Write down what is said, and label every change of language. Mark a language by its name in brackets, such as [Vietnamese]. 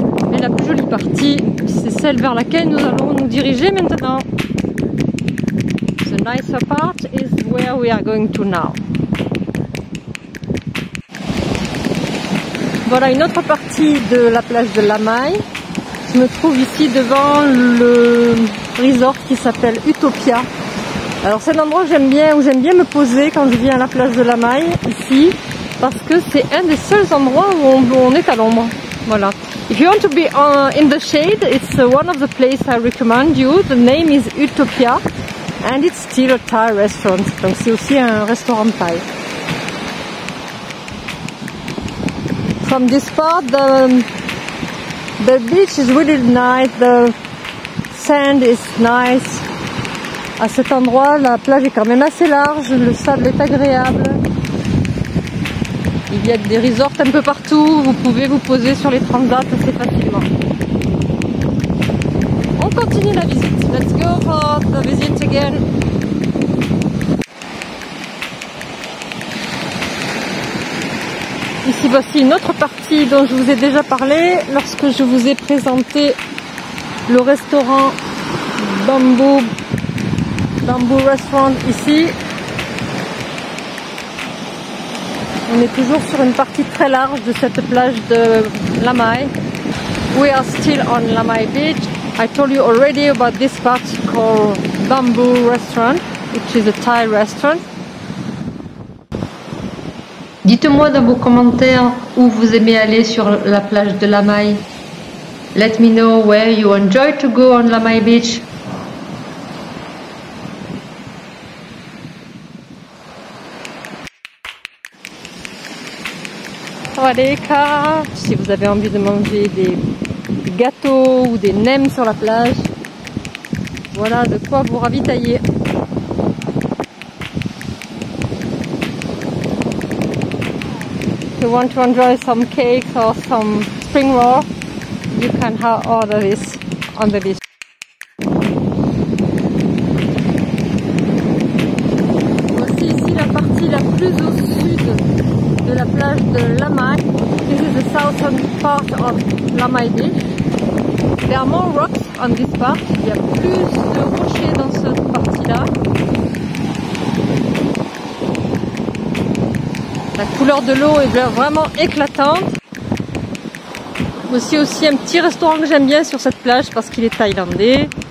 [French] Mais la plus jolie partie, c'est celle vers laquelle nous allons nous diriger maintenant. [English] The nicer part is where we are going to now. [French] Voilà une autre partie de la plage de Lamai. Je me trouve ici devant le resort qui s'appelle Utopia. Alors c'est un endroit où j'aime bien me poser quand je viens à la plage de Lamai ici, parce que c'est un des seuls endroits où on est à l'ombre. Voilà. [English] If you want to be in the shade, it's one of the places I recommend you. The name is Utopia. And it's still a Thai restaurant, [French] donc c'est aussi un restaurant Thai. [English] From this part, the beach is really nice, the sand is nice. [French] À cet endroit, la plage est quand même assez large, le sable est agréable. Il y a des resorts un peu partout, vous pouvez vous poser sur les transats assez facilement. On continue la visite. [English] Let's go for the visit again. [French] Ici, voici une autre partie dont je vous ai déjà parlé lorsque je vous ai présenté le restaurant Bamboo Restaurant ici. On est toujours sur une partie très large de cette plage de Lamai. [English] We are still on Lamai Beach. I told you already about this part called Bamboo Restaurant, which is a Thai restaurant. [French] Dites-moi dans vos commentaires où vous aimez aller sur la plage de Lamai. [English] Let me know where you enjoy to go on Lamai Beach. [French] Waleka, si vous avez envie de manger des gâteaux ou des nems sur la plage, voilà de quoi vous ravitailler. [English] If you want to enjoy some cakes or some spring roll, you can have all of this on the beach. [French] Voici ici la partie la plus au sud de la plage de Lamai. [English] This is the southern part of Lamai Beach. There are more rocks on this part. [French] Il y a plus de rochers dans cette partie-là. La couleur de l'eau est vraiment éclatante. Voici aussi un petit restaurant que j'aime bien sur cette plage parce qu'il est thaïlandais.